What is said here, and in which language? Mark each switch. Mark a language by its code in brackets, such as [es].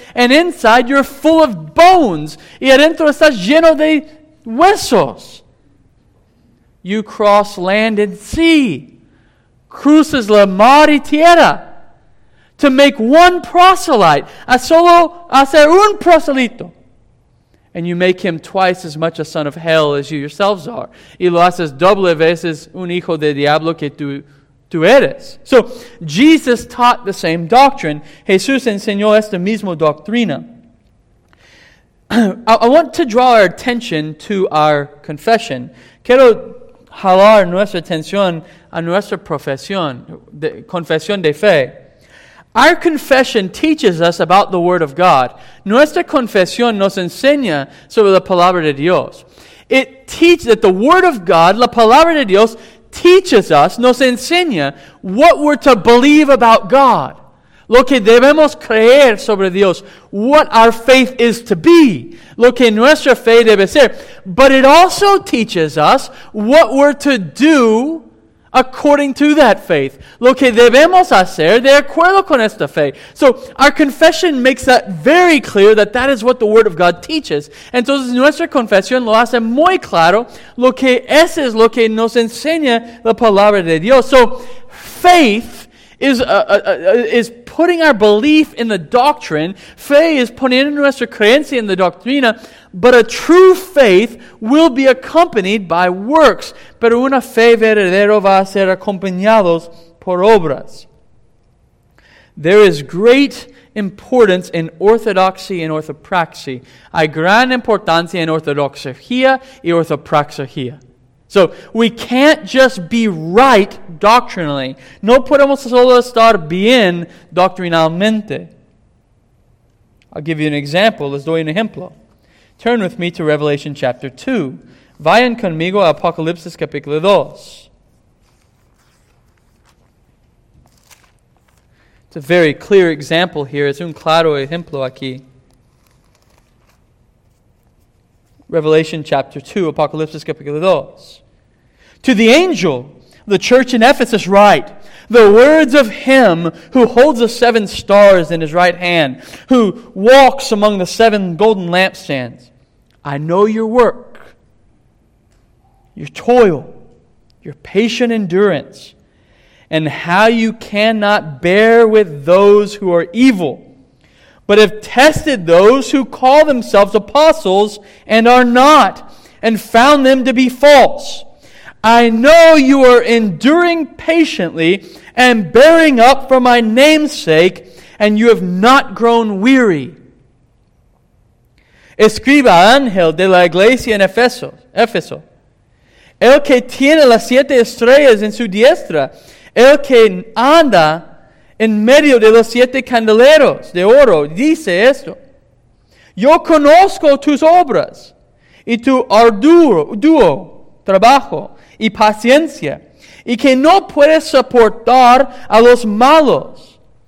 [en] And inside, you're full of bones. [es] Y adentro estás lleno de huesos. [en] You cross land and sea. [es] Cruces la mar y tierra. [en] To make one proselyte, [es] a solo hacer un proselito. [en] And you make him twice as much a son of hell as you yourselves are. [es] Y lo haces doble veces un hijo de diablo que tú eres. [en] So, Jesus taught the same doctrine. [es] Jesús enseñó esta misma doctrina. [en] I want to draw our attention to our confession. [es] Quiero jalar nuestra atención a nuestra profesión, de, confesión de fe. [en] Our confession teaches us about the Word of God. [es] Nuestra confesión nos enseña sobre la Palabra de Dios. [en] It teaches that the Word of God, [es] la Palabra de Dios, [en] teaches us, [es] nos enseña, [en] what we're to believe about God. [es] Lo que debemos creer sobre Dios. [en] What our faith is to be. [es] Lo que nuestra fe debe ser. [en] But it also teaches us what we're to do according to that faith. [es] Lo que debemos hacer de acuerdo con esta fe. [en] So, our confession makes that very clear that that is what the Word of God teaches. [es] Entonces, nuestra confesión lo hace muy claro. Lo que ese es lo que nos enseña la Palabra de Dios. [en] So, faith is putting our belief in the doctrine. Fe is [es] poniendo nuestra creencia [en] in the doctrina. But a true faith will be accompanied by works. [es] Pero una fe verdadera va a ser acompañados por obras. [en] There is great importance in orthodoxy and orthopraxy. [es] Hay gran importancia en ortodoxia y orthopraxia. [en] So, we can't just be right doctrinally. [es] No podemos solo estar bien doctrinalmente. [en] I'll give you an example. [es] Les doy un ejemplo. [en] Turn with me to Revelation chapter 2. [es] Vayan conmigo a Apocalipsis capítulo 2. [en] It's a very clear example here. [es] Es un claro ejemplo aquí. [en] Revelation chapter 2, [es] Apocalipsis capítulo 2. [en] To the angel, the church in Ephesus write, the words of him who holds the seven stars in his right hand, who walks among the seven golden lampstands. I know your work, your toil, your patient endurance, and how you cannot bear with those who are evil, but have tested those who call themselves apostles and are not, and found them to be false. I know you are enduring patiently and bearing up for my name's sake, and you have not grown weary. [es] Escriba ángel de la iglesia en Éfeso. El que tiene las siete estrellas en su diestra, el que anda en medio de los siete candeleros de oro, dice esto. Yo conozco tus obras y tu arduo trabajo y paciencia, y que no puedes soportar a los malos.